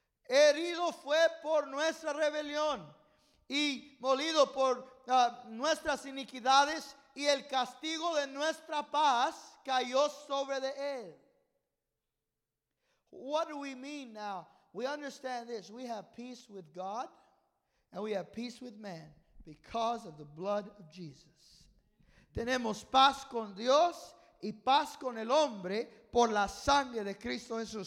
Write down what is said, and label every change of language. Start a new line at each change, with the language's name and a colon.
Spanish: Herido fue por nuestra rebelión y molido por nuestras iniquidades y el castigo de nuestra paz cayó sobre de él.
English: What do we mean now? We understand this. We have peace with God and we have peace with man because of the blood of Jesus.
Spanish: Tenemos paz con Dios y paz con el hombre por la sangre de Cristo Jesús.